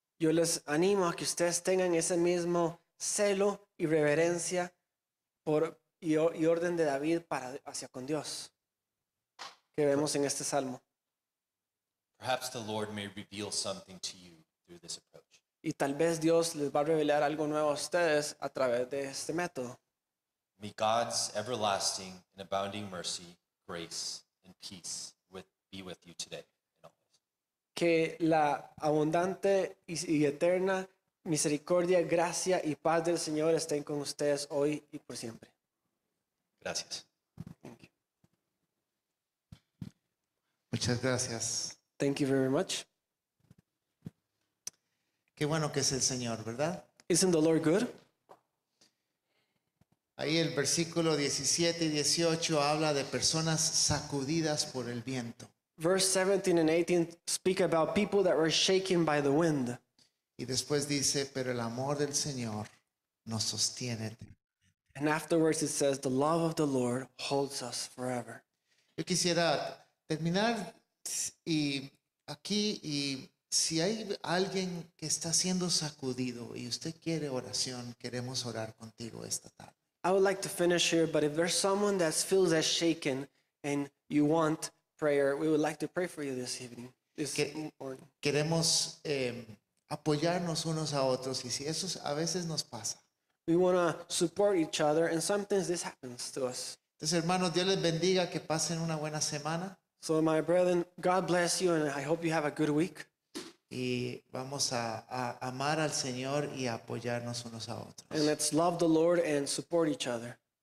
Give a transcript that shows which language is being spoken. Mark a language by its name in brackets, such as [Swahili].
[Spanish] Yo les animo a que ustedes tengan ese mismo celo y reverencia y orden de David hacia con Dios que vemos en este salmo. [English] Perhaps the Lord may reveal something to you through this approach. [Spanish] Y tal vez Dios les va a revelar algo nuevo a ustedes a través de este método. [English] May God's everlasting and abounding mercy, grace, and peace be with you today. [Spanish] Que la abundante y eterna misericordia, gracia y paz del Señor estén con ustedes hoy y por siempre. Gracias. [English] Thank you. [Spanish] Muchas gracias. [English] Thank you very much. [Spanish] Qué bueno que es el Señor, ¿verdad? [English] Isn't the Lord good? [Spanish] Ahí el versículo 17 y 18 habla de personas sacudidas por el viento. [English] Verse 17 and 18 speak about people that were shaken by the wind. [Spanish] Y después dice, pero el amor del Señor nos sostiene. [English] And afterwards it says, the love of the Lord holds us forever. [Spanish] Yo quisiera terminar y aquí y si hay alguien que está siendo sacudido y usted quiere oración, queremos orar contigo esta tarde. [English] I would like to finish here, but if there's someone that feels as shaken and you want prayer, we would like to pray for you this evening. [Spanish] Queremos apoyarnos unos a otros, y si eso a veces nos pasa. [English] We want to support each other, and sometimes this happens to us. [Spanish] Entonces, hermanos, Dios les bendiga, que pasen una buena semana. [English] So, my brethren, God bless you, and I hope you have a good week. [Spanish] Y vamos a amar al Señor y a apoyarnos unos a otros. [English] And let's love the Lord and support each other.